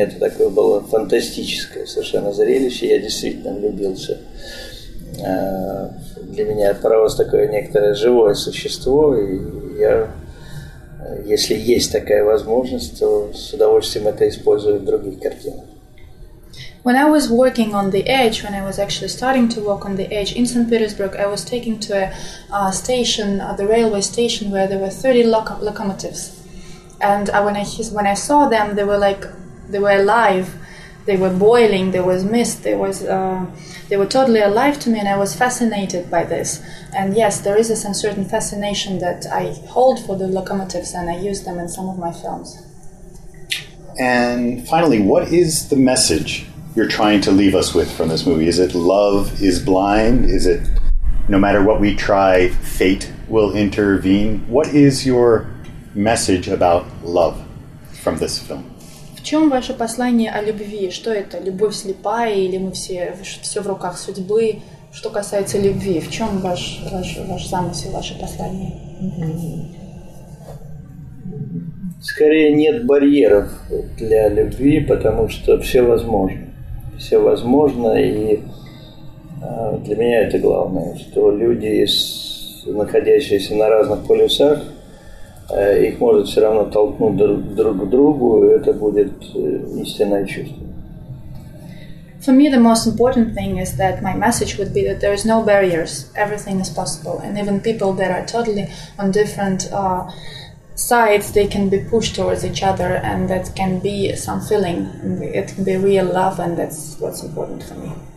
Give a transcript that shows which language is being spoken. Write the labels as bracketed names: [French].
[Russian] Это такое было фантастическое совершенно зрелище. Я действительно влюбился. Для меня паровоз такое некоторое живое существо, и я, если есть такая возможность, то с удовольствием это использую в других картинах. [English] When I was working on the edge, when I was actually starting to walk on the edge in St. Petersburg, I was taken to a station, the railway station, where there were 30 locomotives. And when I saw them, they were alive, they were boiling, there was mist, they were totally alive to me, and I was fascinated by this. And yes, there is a certain fascination that I hold for the locomotives, and I use them in some of my films. And finally, what is the message you're trying to leave us with from this movie? Is it love is blind? Is it no matter what we try, fate will intervene? What is your message about love from this film? [Russian] В чем ваше послание о любви? Что это? Любовь слепая или мы все в руках судьбы? Что касается любви, в чем ваш замысел, ваше послание? Скорее, нет барьеров для любви, потому что все возможно. Все возможно, и для меня это главное, что люди, находящиеся на разных полюсах, их может все равно толкнуть друг к другу, и это будет истинное чувство. [English] For me, the most important thing is that my message would be that there is no barriers, everything is possible, and even people that are totally on different sides, they can be pushed towards each other, and that can be some feeling. It can be real love, and that's what's important for me.